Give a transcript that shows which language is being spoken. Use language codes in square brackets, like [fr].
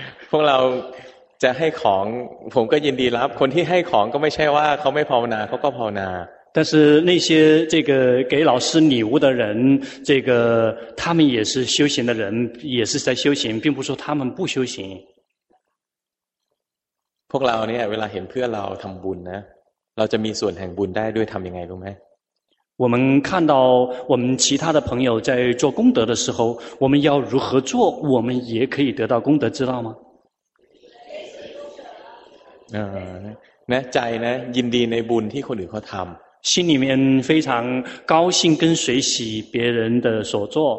[th] พวกเราจะให้ของผมก็ยินดีรับคนที่ให้ของก็ไม่ใช่ว่าเขาไม่ภาวนาเขาก็ภาวนา [zh] 但是那些这个给老师礼物的人这个他们也是修行的人也是在修行并不说他们不修行 [th] พวกเราเนี่ยเวลาเห็นเพื่อเราทำบุญนะเราจะมีส่วนแห่งบุญได้ด้วยทำยังไงรู้ไหม [zh] 我们看到我们其他的朋友在做功德的时候我们要如何做我们也可以得到功德知道吗 [th] นะใจนะยินดีในบุญที่คนอื่นเขาทำ [zh] 心里面非常高兴跟随喜别人的所做